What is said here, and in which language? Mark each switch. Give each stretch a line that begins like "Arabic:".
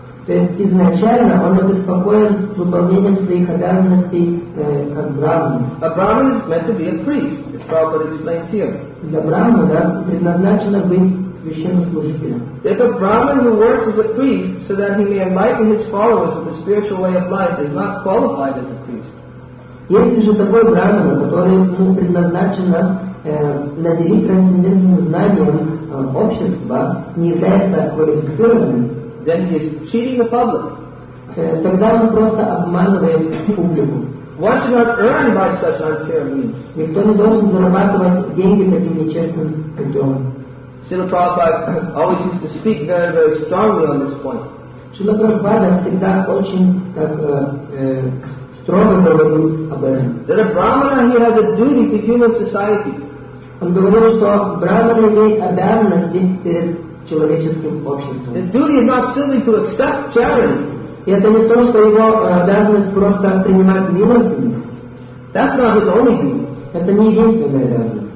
Russian: То есть изначально он обеспокоен выполнением своих обязанностей как брахмана.
English: A brahmin is meant to be a priest, as Prabhupada explains here.
Russian: Для брахмана предназначено быть священнослужителем.
English: If a brahmin who works as a priest so that he may enlighten his followers with the spiritual way of life is not qualified as a priest.
Russian: Если же такой брахмана, который ему предназначено наделить трансцендентным знанием общества, не является квалифицированным,
English: then he is cheating the public.
Russian: Тогда он просто обманывает публику.
English: One should not earn by such unfair means.
Russian: Никто не должен зарабатывать деньги таким нечестным путем.
English: Srila Prabhupada always used to speak very, very strongly on this point.
Russian: Srila Prabhupada всегда очень строго говорил об этом.
English: That a brahmana, he has a duty to human society.
Russian: Он говорил, что брахмана имеет обязанности перед человеческим обществом.
English: His duty is not simply to accept charity.
Russian: И это не то, что его обязанность просто принимать милости.
English: That's not his only duty.
Russian: Это не единственная обязанность.